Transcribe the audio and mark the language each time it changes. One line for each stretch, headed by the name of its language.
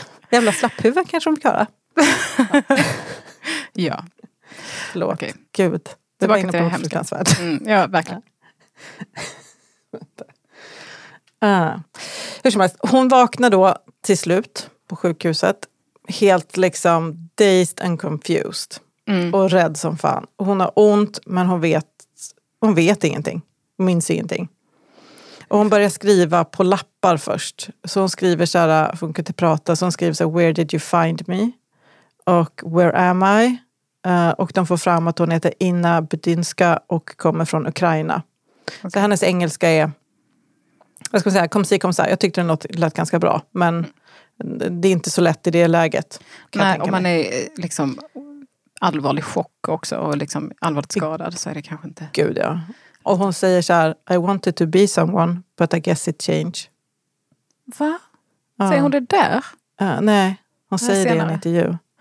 Swedish: Jävla slapphuvud kanske de vill köra. Ja. Förlåt. Okej. Gud. Det var inne på fruktansvärt. Mm, ja, verkligen. Hur som helst. Hon vaknar då till slut på sjukhuset. Helt liksom
English: dazed and confused.
Swedish: Mm. Och rädd som fan. Hon har ont, men hon vet ingenting. Hon minns ingenting. Och hon börjar skriva på lappar först. Så hon skriver så här, funkar inte prata. Så hon skriver så här,
English: where did you find me?
Swedish: Och
English: where am I?
Swedish: Och de får fram att hon heter Inna Budinska och kommer från Ukraina. Okay. Så hennes engelska är, vad ska man säga, kom si. Jag tyckte det lät ganska bra, men det är inte så lätt i det läget. Nej, om man är liksom allvarlig chock också och liksom allvarligt skadad så är det kanske inte. Gud ja. Och hon säger så här,
English: I wanted to be someone, but I guess it changed.
Swedish: Va? Säger hon det där? Nej, hon säger senare. Det i en intervju.